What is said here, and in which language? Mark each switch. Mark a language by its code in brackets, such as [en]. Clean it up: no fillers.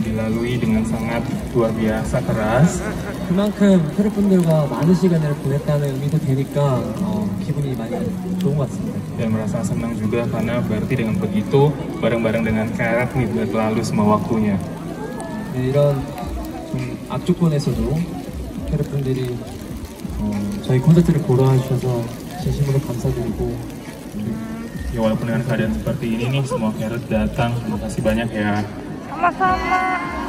[id] dilalui dengan sangat luar biasa keras. [ko] 그만큼 캐럿분들과 많은 시간을 보냈다는 의미도 되니까 기분이 많이 좋은 것 같습니다. [id] 네, merasa senang juga karena berarti dengan begitu bareng-bareng dengan kerap nih berlalu semua waktunya. [ko] 네, 이런 좀 악조건에서도 캐럿분들이 저희 콘서트를 보러 와주셔서 진심으로 감사드리고. [id] Ya, walaupun dengan keadaan seperti ini nih semua kerap datang, terima kasih banyak ya. [ko] 감사합니다.